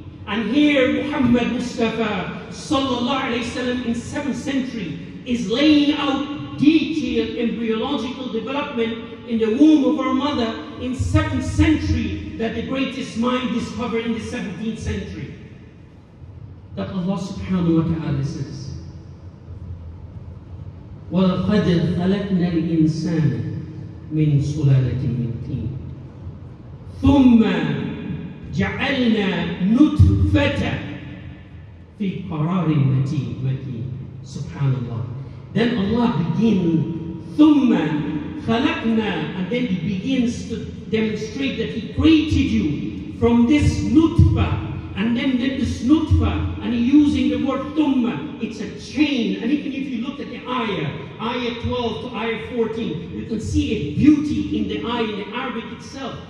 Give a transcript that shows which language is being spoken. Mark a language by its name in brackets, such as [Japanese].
[English] And here Muhammad Mustafa sallallahu alayhi wa sallam in 7th century is laying out detailed embryological development in the womb of our mother in 7th century that the greatest mind discovered in the 17th century. That Allah subhanahu wa ta'ala says, [Arabic] وَلَقَدْ خَلَقْنَا الْإِنسَانَ مِنْ سُلَالَةٍ مِنْ تِينٍ ثُمَّ جَعَلْنَا نُطْفَةً فِي قَرَارٍ مَكِينٍ. Subhanallah. [English] Then Allah begins, [Arabic] ثُمَّ خَلَقْنَا, [English] and then he begins to demonstrate that he created you from this nutfa. And then this nutfa, and he using the word thumma, it's a chain. And even if you look at the ayah 12 to ayah 14, you can see a beauty in the ayah, in the Arabic itself.